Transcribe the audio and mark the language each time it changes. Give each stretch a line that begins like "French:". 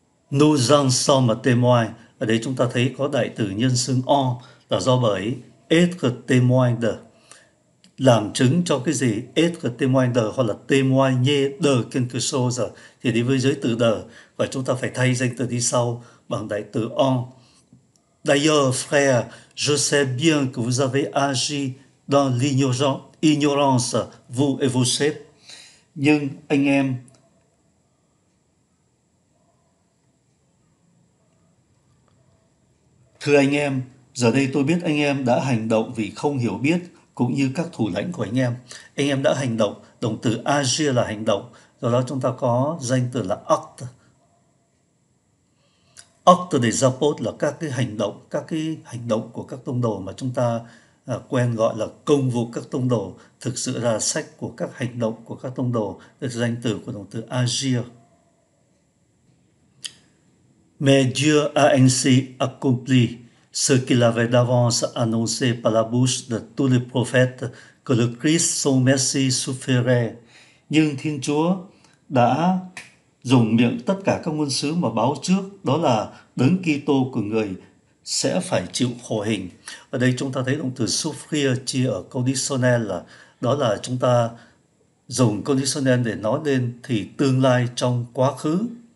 French: Nous en sommes témoins.
Vietnamese: Ở đây chúng ta thấy có đại từ nhân xưng en là do bởi
French: être témoin de,
Vietnamese: làm chứng cho cái gì,
French: être témoin de
Vietnamese: hoặc là
French: témoigner de quelque chose,
Vietnamese: thì đi với giới từ de và chúng ta phải thay danh từ đi sau bằng đại từ en.
French: D'ailleurs, frère, je sais bien que vous avez agi dans l'ignorance, vous et vos chefs.
Vietnamese: Nhưng anh em, thưa anh em, giờ đây tôi biết anh em đã hành động vì không hiểu biết, cũng như các thủ lãnh của anh em. Anh em đã hành động, động từ agir là hành động, do đó chúng ta có danh từ là acte.
French: Acte des apôtres
Vietnamese: là các cái hành động của các tông đồ mà chúng ta quen gọi là công vụ các tông đồ. Thực sự là sách của các hành động của các tông đồ, được danh từ của động từ agir.
French: Mais Dieu a ainsi accompli ce qu'il avait d'avance annoncé par la bouche de tous les prophètes que le Christ son Messie souffrirait.
Vietnamese: Nhưng Thiên Chúa đã dùng miệng tất cả các ngôn sứ mà báo trước, đó là Đấng Kitô của người sẽ phải chịu khổ hình. Ở đây chúng ta thấy động từ souffrir chia ở conditionnel, là đó là chúng ta dùng conditionnel để nói lên thì tương lai trong quá khứ.